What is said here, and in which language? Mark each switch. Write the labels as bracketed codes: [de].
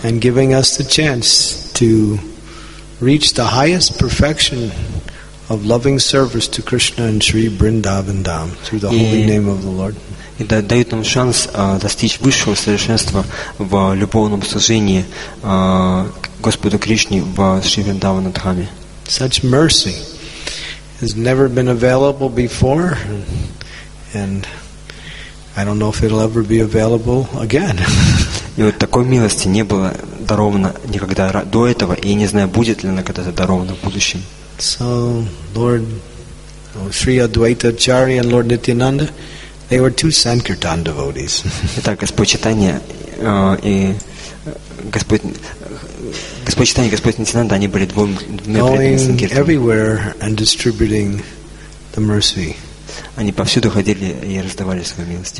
[en] And giving us the chance to reach the highest perfection of loving service to Krishna and Sri Vrindavan Dham through the holy name of the Lord. [ru] И дают нам шанс достичь высшего совершенства в любовном служении Господу Кришне в Шри Вриндавана Дхаме. [en] Such mercy has never been available before, and I don't know if it'll ever be available again. [ru] И вот такой милости не было даровано никогда до этого, и не знаю, будет ли она когда-то даровано в будущем. [en] So, Lord, Sri Advaita Acharya and Lord Nityananda, they were two Sankirtan devotees. [ru] Итак, Господь Читания и Господь Читания и Господь Нитинанда, они были двумя преданными [en] Санкиртан. Going everywhere and distributing the mercy. [ru] Они повсюду ходили и раздавали свою милость.